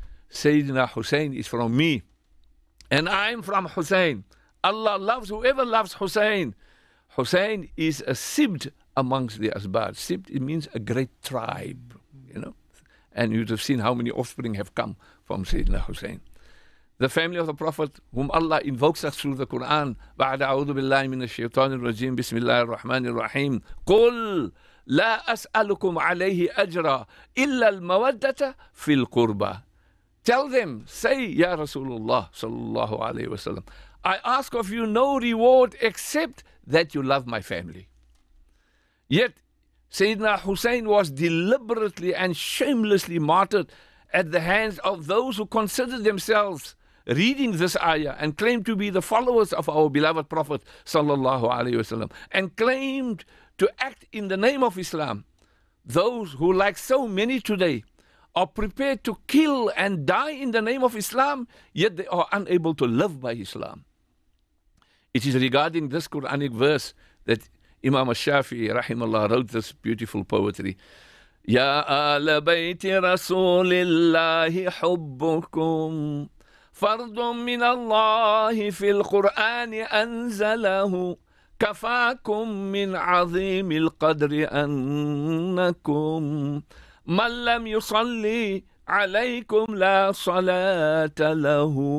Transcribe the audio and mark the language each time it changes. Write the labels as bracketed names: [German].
[English] Sayyidina Hussein is from me, and I'm from Hussein. Allah loves whoever loves Hussein. Hussein is a sibt amongst the azbad. Sibt, it means a great tribe, you know. And you'd have seen how many offspring have come from Sayyidina Hussein. The family of the Prophet, whom Allah invokes us through the Quran, [Arabic] بعد أعوذ بالله من الشيطان الرجيم بسم الله الرحمن الرحيم قل لا أسألكم عليه أجرا إلا المودة في القربة. [English] Tell them, say, [Arabic] يا رسول الله صلى الله عليه وسلم, [English] I ask of you no reward except that you love my family. Yet, Sayyidina Hussein was deliberately and shamelessly martyred at the hands of those who considered themselves reading this ayah and claimed to be the followers of our beloved Prophet sallallahu alaihi wasallam and claimed to act in the name of Islam, those who, like so many today, are prepared to kill and die in the name of Islam, yet they are unable to live by Islam. It is regarding this Quranic verse that Imam Shafi rahimahullah wrote this beautiful poetry. [Arabic] Ya al bayti rasulillahi hubbukum فرض من الله في القرآن أنزله كفاكم من عظيم القدر أنكم من لم يصلي عليكم لا صلاة له.